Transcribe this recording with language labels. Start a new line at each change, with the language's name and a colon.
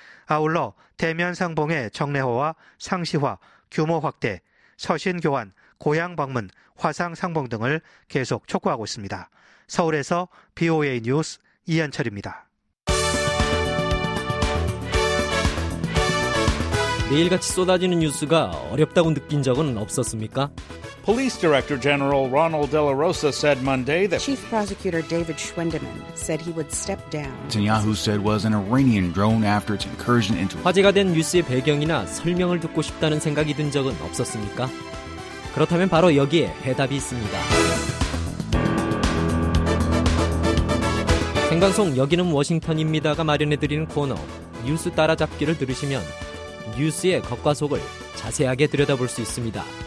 Korean: 아울러 대면 상봉의 정례화와 상시화, 규모 확대, 서신 교환, 고향 방문, 화상 상봉 등을 계속 촉구하고 있습니다. 서울에서 BOA 뉴스 이현철입니다. 매일같이 쏟아지는 뉴스가 어렵다고 느낀 적은 없었습니까?
English: Police Director General Ronald De La Rosa said Monday that Chief Prosecutor David Schwendeman said he would step down. Netanyahu said was an Iranian drone after its incursion into
Korean: 화제가 된 뉴스의 배경이나 설명을 듣고 싶다는 생각이 든 적은 없었습니까? 그렇다면 바로 여기에 해답이 있습니다. 생방송 여기는 워싱턴입니다가 마련해드리는 코너 뉴스 따라잡기를 들으시면 뉴스의 겉과 속을 자세하게 들여다볼 수 있습니다.